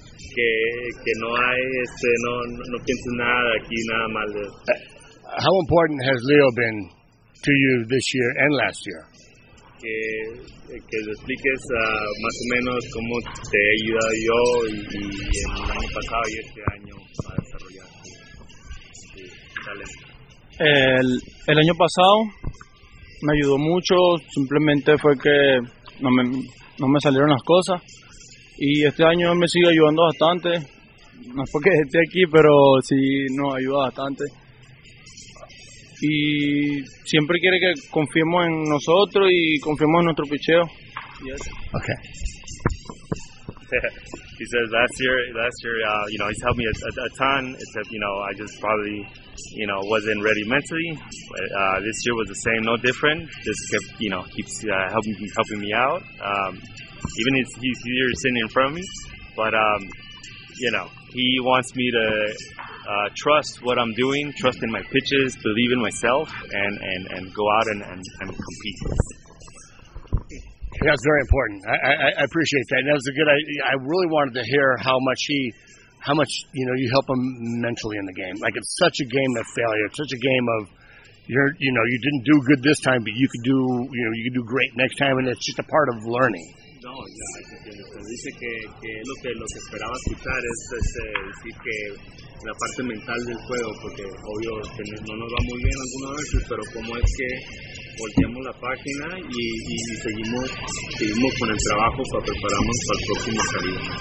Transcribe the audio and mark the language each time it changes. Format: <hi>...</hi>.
<es>Que no hay no pienso nada aquí, nada mal.</es> <en>How important has Leo been to you this year and last year?</en> <es>Que te expliques más o menos cómo te he ayudado yo y en el año pasado y este año para desarrollar tu talento. El año pasado me ayudó mucho, simplemente fue que no me salieron las cosas. Y este año me sigue ayudando bastante, no es porque esté aquí, pero sí nos ayuda bastante. Y siempre quiere que confiemos en nosotros y confiemos en nuestro picheo.</es> <en>Yes. Okay. He says last year, you know, he's helped me a ton, except, you know, I just probably, you know, wasn't ready mentally. But this year was the same, no different. Just kept, you know, keeps helping me out. Even if he's here sitting in front of me. But, you know, he wants me to trust what I'm doing, trust in my pitches, believe in myself, and go out and compete. That's very important. I appreciate that. And that was a good idea. I really wanted to hear how much, you know, you help him mentally in the game. Like, it's such a game of failure. It's such a game of, you didn't do good this time, but you could do great next time. And it's just a part of learning.</en> <es>No, ya, dice que lo que esperaba escuchar es decir que la parte mental del juego, porque obvio que no nos va muy bien algunas veces, pero cómo es que volteamos la página y seguimos con el trabajo para prepararnos para el próximo salido.</es>